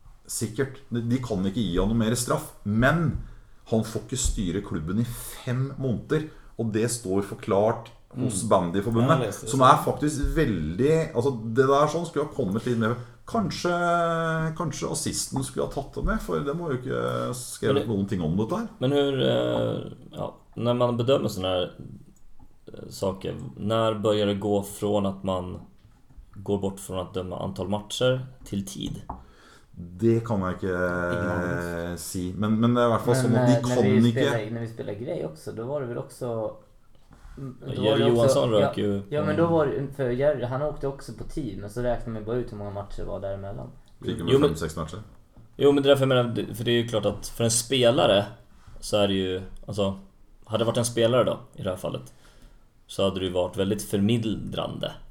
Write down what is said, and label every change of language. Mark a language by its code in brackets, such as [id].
[no] Sikkert, de kan ikke gi han noe mer straff, men han får ikke styre klubben i 5 måneder, og det står forklart hos bandyforbundet, som er faktisk veldig, altså det der sånn skulle ha kommet litt med, kanskje assisten skulle ha tatt det med, for det må jo ikke skrive det, noen ting om det der. Men hur, ja, når man bedømmer sånne her saker, når börjar det gå från at man går bort från at dømme antall matcher til tid? Det kan jeg ikke si, men det er i hvert fall sånn at de kan spiller, ikke. Når vi spiller grej også, da var det vel også [sv] Jerry Johansson rök ju. Ja, men då var för Jerry, han åkte också på tid, men så räknar man bara ut hur många matcher var däremellan. Jo, 5-6 matcher. Jo, men därför menar, för det är ju klart att för en spelare så är det ju, alltså hade det varit en spelare då i det här fallet, så hade det ju varit väldigt förmildrande.